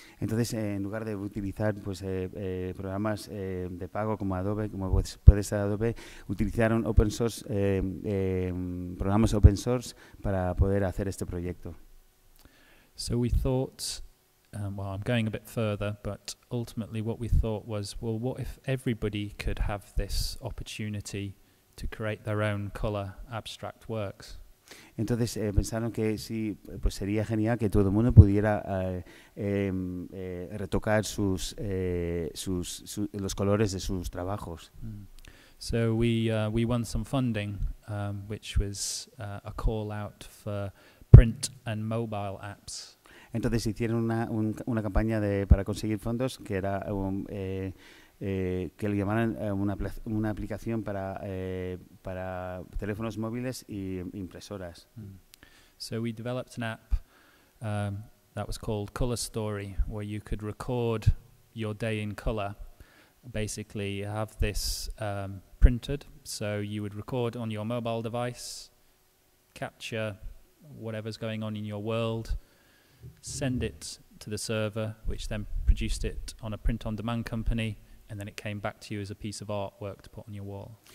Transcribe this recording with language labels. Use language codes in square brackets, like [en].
[es] Entonces, en lugar de utilizar programas de pago como Adobe, como puede ser Adobe, utilizaron open source programas open source para poder hacer este proyecto. [en] So we thought, I'm going a bit further, but ultimately what we thought was, well, what if everybody could have this opportunity to create their own color abstract works? [es] Entonces pensaron que sí, pues sería genial que todo el mundo pudiera retocar los colores de sus trabajos. [en] So we won some funding, which was a call out for print and mobile apps. [es] Entonces hicieron una campaña para conseguir fondos que era que le llamaran una aplicación para teléfonos móviles y impresoras. [en] So we developed an app that was called Color Story, where you could record your day in color. Basically, have this printed, so you would record on your mobile device, capture whatever's going on in your world, send it to the server, which then produced it on a print-on-demand company, and then it came back to you as a piece of artwork to put on your wall.